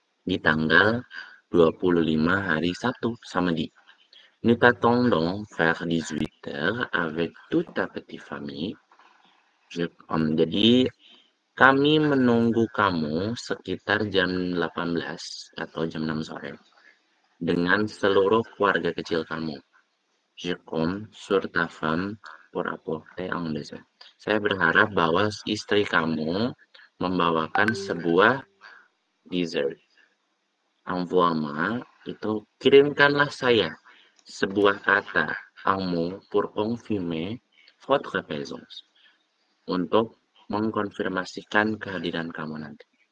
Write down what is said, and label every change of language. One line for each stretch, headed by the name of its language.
Indonesian: Di tanggal 25 hari Sabtu sama di
French: Nous t'attendons vers 18h avec toute ta petite famille.
Indonesian: Jadi, kami menunggu kamu sekitar jam 18 atau jam 6 sore dengan seluruh keluarga kecil kamu.
French: Je compte sur ta femme pour apporter un dessert.
Indonesian: Saya berharap bahwa istri kamu membawakan sebuah dessert.
French: Envoie-moi,
Indonesian: itu kirimkanlah saya sebuah kata kamu
French: pour confirmer votre présence
Indonesian: untuk mengkonfirmasikan kehadiran kamu nanti.